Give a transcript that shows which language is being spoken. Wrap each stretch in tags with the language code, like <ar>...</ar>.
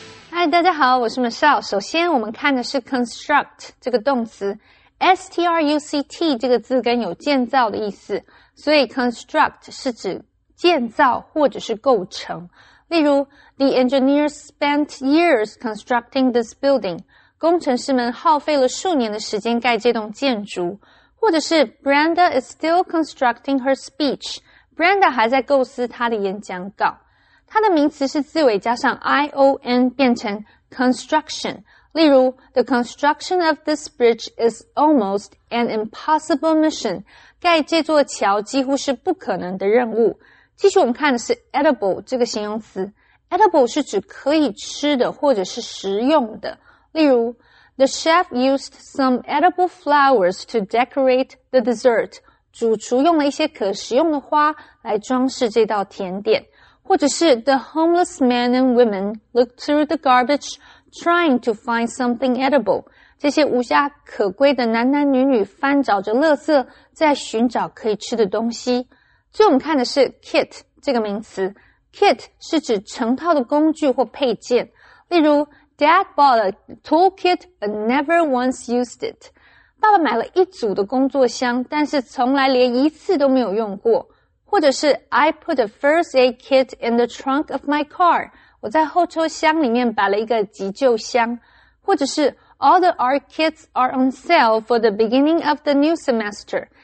<en>Hi,</en> <zh>大家好，我是 Michelle。首先，我们看的是 construct 这个动词。 S-T-R-U-C-T 这个字根有建造的意思，所以 construct 是指建造或者是构成。例如</zh> <en>The engineer spent years constructing this building.</en> <zh>工程师们耗费了数年的时间盖这栋建筑。或者是</zh> <en>Brenda is still constructing her speech.</en> <zh>Brenda 还在构思她的演讲稿。它的名词是字尾加上 I-O-N 变成 construction。例如</zh> <en>,the construction of this bridge is almost an impossible mission.</en> <zh>盖这座桥几乎是不可能的任务。继续我们看的是 edible 这个形容词。edible 是指可以吃的或者是食用的。例如</zh> <en>,the chef used some edible flowers to decorate the dessert.</en> <zh>主厨用了一些可食用的花来装饰这道甜点。或者是</zh> <en>,the homeless men and women looked through the garbage,trying to find something edible.</en> <zh>这些无家可归的男男女女翻找着垃圾，在寻找可以吃的东西。最我们看的是 kit 这个名词。kit 是指成套的工具或配件。例如</zh> <en>,Dad bought a toolkit but never once used it.</en> <zh>爸爸买了一组的工作箱，但是从来连一次都没有用过。或者是</zh> <en>,I put a first aid kit in the trunk of my car.</en> <zh>我在后车厢里面摆了一个急救箱，或者是</zh> <en>All the art kits are on sale for the beginning of the new semester.</en>